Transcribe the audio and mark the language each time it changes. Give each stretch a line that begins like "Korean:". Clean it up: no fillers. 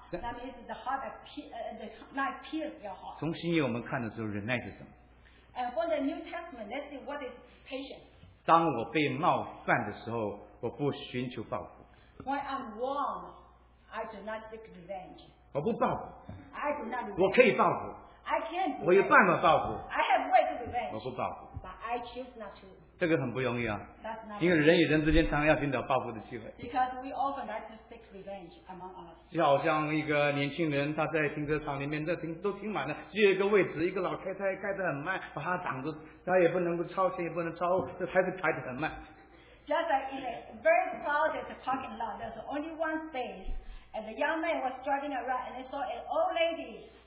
English: That means the heart the knife pierces your heart.
Chinese: 从新约我们看的时候，忍耐是什么？
English: And for the New Testament, let's see what is patience.
Chinese: 当我被冒犯的时候，我不寻求报复。
English: When I'm wrong, I do not seek revenge.
Chinese: 我不报复。
English: I do not.
Chinese: 我可以报复。
English: I can.
Chinese: 我有办法报复。
English: I have way to revenge.
Chinese: 我不报复。
English: But I choose not to.
Chinese: 这个很不容易啊，因为人与人之间常常要寻找报复的机会。
English: Because we often like to seek revenge among us.
Chinese: 就好像一个年轻人，他在停车场里面都停满了，只有一个位置，一个老太太开得很慢，把他挡住，他也不能够超前，也不能超后，这还是开得很慢。
English: Just like in a very crowded parking lot, there's only one space, and the young man was driving around, and he saw an old lady.